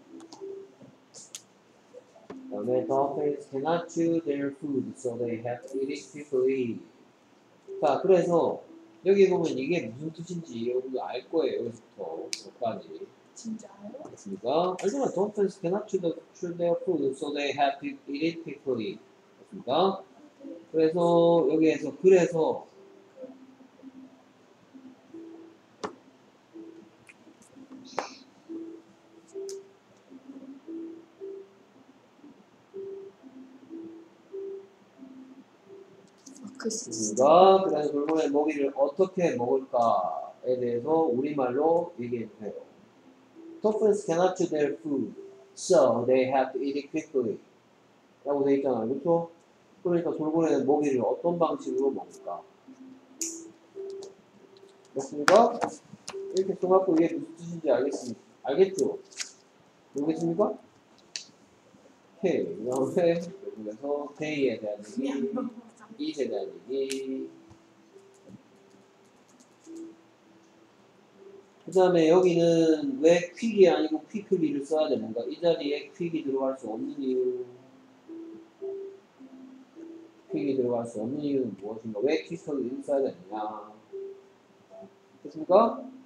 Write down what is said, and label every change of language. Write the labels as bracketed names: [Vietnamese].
[Korean] 그 다음에 [English] dolphins cannot chew their food so they have to eat it quickly. [Korean] 자 그래서 여기 보면 이게 무슨 뜻인지 여러분들 알 거예요. 여기서부터 여기까지. 진짜요? 맞습니까? 알지만 [English] dolphins cannot chew their food so they have to eat it quickly. [Korean] 맞습니까? 그래서 여기에서 그래서 그래서 돌고래 먹이를 어떻게 먹을까에 대해서 우리말로 얘기해주세요. [English] Dolphins cannot chew their food, so they have to eat it quickly. [Korean] 라고 돼 있잖아요. 그렇죠? 그러니까 돌고래는 먹이를 어떤 방식으로 먹을까? 됐습니까? 이렇게 써갖고 이게 무슨 뜻인지 알겠죠? 모르겠습니까? 오케이. 그 다음에 그래서 day에 대한 얘기. 이 세대한 얘기 그 다음에 여기는 왜 퀵이 아니고 퀵클리를 써야 되는가 이 자리에 퀵이 들어갈 수 없는 이유 퀵이 들어갈 수 없는 이유는 무엇인가 왜 퀵클리를 써야 되느냐 됐습니까?